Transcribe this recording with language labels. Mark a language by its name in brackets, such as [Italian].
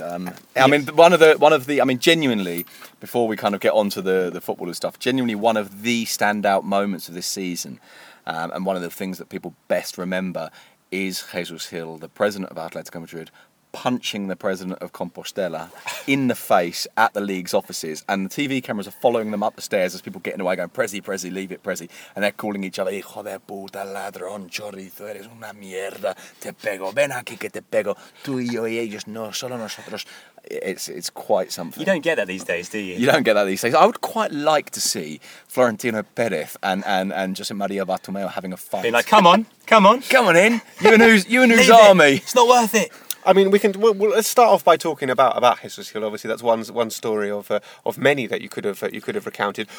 [English] I mean, genuinely, before we kind of get onto the footballer stuff, genuinely one of the standout moments of this season, and one of the things that people best remember, is Jesus Hill, the president of Atletico Madrid, punching the president of Compostela in the face at the league's offices. And the TV cameras are following them up the stairs as people get in the way going, Prezi, Prezi, leave it, Prezi. And they're calling each other, [Spanish] hijo de puta, ladrón, chorizo, eres una mierda, te pego, ven aquí que te pego, tú y yo y ellos, no, solo nosotros. [English] It's quite something. You don't get that these days, do you? You don't get that these days. I would quite like to see Florentino Perez and Jose Maria Bartomeu having a fight. Be like, come on. Come on in, you and whose army. It's not worth it. I mean, let's start off by talking about Jesus Hill. Obviously, that's one story of many that you could have recounted.